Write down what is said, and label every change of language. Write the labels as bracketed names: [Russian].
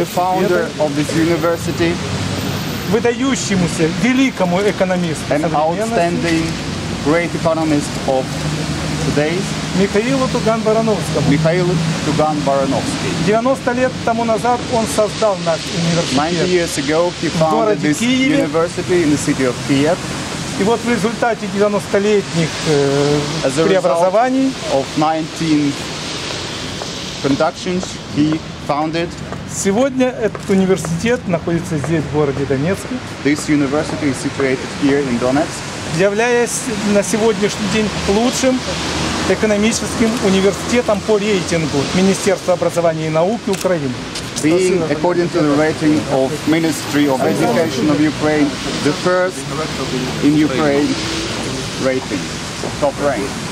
[English] to the founder of this university, [Russian] выдающемуся великому экономисту [English] an outstanding great economist of today, [Russian] Михаилу Туган-Барановскому. Михаил Туган-Барановский. 90 лет тому назад он создал наш университет. [English] 90 years ago he founded this university in the city of Kiev. [Russian] И вот в результате 90-летних преобразований [English] of 19 conductions he founded. [Russian] Сегодня этот университет находится здесь, в городе Донецке. [English] This university is situated here in Donetsk. [Russian] Являясь на сегодняшний день лучшим экономическим университетом по рейтингу Министерства образования и науки Украины. [English] Being according to the rating of Ministry of Education of Ukraine, the first in Ukraine rating, top rank.